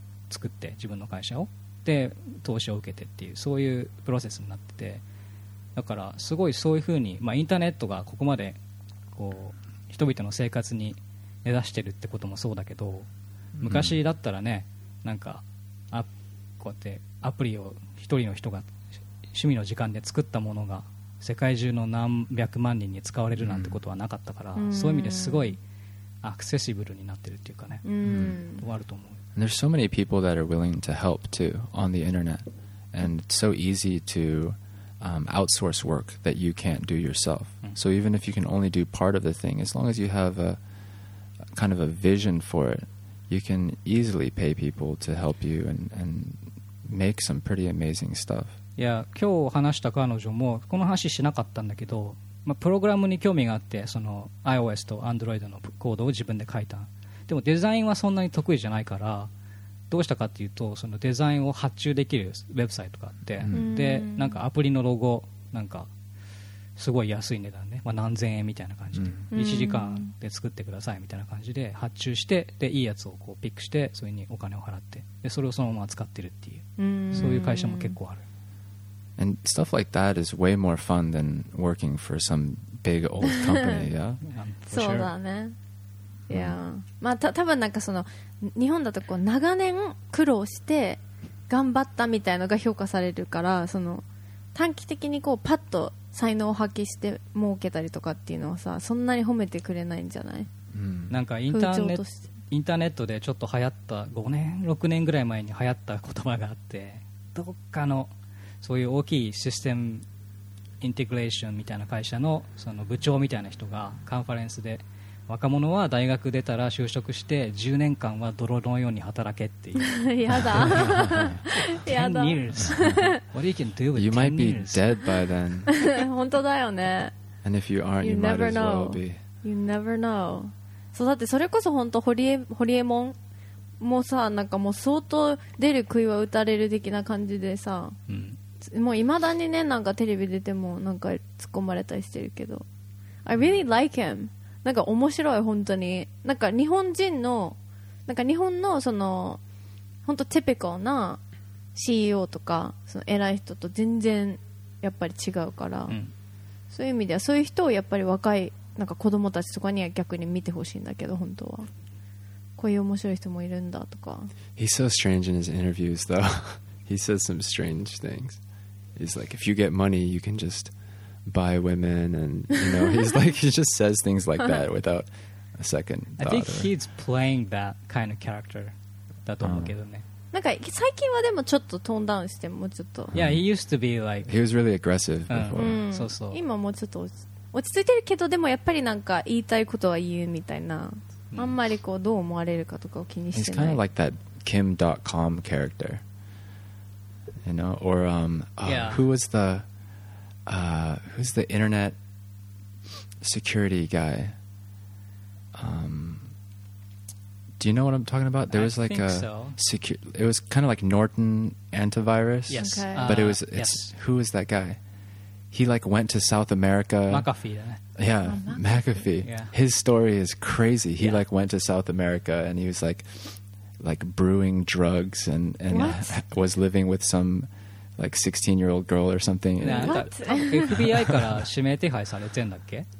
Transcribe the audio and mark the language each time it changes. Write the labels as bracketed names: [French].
[Japanese] 作って自分の会社をで投資を受けてっていうそういうプロセスになってて、だからすごいそういうふうに、まあ、インターネットがここまでこう人々の生活に根ざしてるってこともそうだけど、昔だったらね、なんかこうやってアプリを一人の人が趣味の時間で作ったものが世界中の何百万人に使われるなんてことはなかったから、そういう意味ですごいアクセシブルになってるっていうかね、あると思う。 [English] And there's so many people that are willing to help too on the internet, and it's so easy to outsource work that you can't do yourself. So even if you can only do part of the thing, as long as you have a kind of a vision for it, you can easily pay people to help you and make some pretty amazing stuff. [Japanese] Yeah, 今日話した彼女もこの話しなかったんだけど、まあ、プログラムに興味があって、その iOS と Android のコードを自分で書いた。でもデザインはそんなに得意じゃないから、どうしたかっていうと、そのデザインを発注できるウェブサイトがあって、でなんかアプリのロゴなんかすごい安い値段ね、まあ、何千円みたいな感じで、1時間で作ってくださいみたいな感じで発注して、でいいやつをこうピックして、それにお金を払って、でそれをそのまま使ってるっていう、そういう会社も結構ある。 [English] And stuff like that is way more fun than working for some big old company. Yeah, [Japanese] そうだね。いや、まあ、多分なんかその日本だとこう長年苦労して頑張ったみたいなのが評価されるから、その短期的にこうパッと才能を発揮して儲けたりとかっていうのはさ、そんなに褒めてくれないんじゃない、なんかインターネットでちょっと流行った5年6年ぐらい前に流行った言葉があって、どっかのそういう大きいシステムインテグレーションみたいな会社 その部長みたいな人がカンファレンスで、若者は大学出たら就職して10年間は泥のように働けっていう。やだ。 [English] 10 years. What you can do with 10 years? You might be dead by then. [Japanese] 本当だよね。 [English] And if you aren't, you might as well be. You never know. [Japanese] そうだって、それこそ本当ホリエモンもさ、なんかもう相当出る杭は打たれる的な感じでさ、もう未だにね、なんかテレビ出てもなんか突っ込まれたりしてるけど、 [English] I really like him. [Japanese] なんか面白い、本当になんか日本人のなんか日本のその本当テピカルな CEO とかその偉い人と全然やっぱり違うから、そういう意味ではそういう人をやっぱり若いなんか子供たちとかには逆に見てほしいんだけど、本当はこういう面白い人もいるんだとか。 [English] He's so strange in his interviews though. He says some strange things. He's like, if you get money you can justby women, and you know, he's like, he just says things like that without a second thought. I think he's playing that kind of character. [Japanese] だと思うけどね。なんか最近はでもちょっとトーンダウンして、もうちょっと。 [English] Yeah, he used to be like, he was really aggressive before. [Japanese] そうそう。今もうちょっと落ち着いてるけど、でもやっぱりなんか言いたいことは言うみたいな。あんまりこうどう思われるかとかを気にしてない。 [English] He's kind of like that Kim.com character. You know, or who was the... who's the internet security guy? Do you know what I'm talking about? There was like a it was kind of like Norton antivirus. Yes, okay. But it was who was that guy? He like went to South America. McAfee. Yeah, McAfee. Yeah. His story is crazy. He like went to South America and he was like brewing drugs and was living with some. Like 16-year-old girl or something. [Japanese] FBI から指名手配されてんだっけ？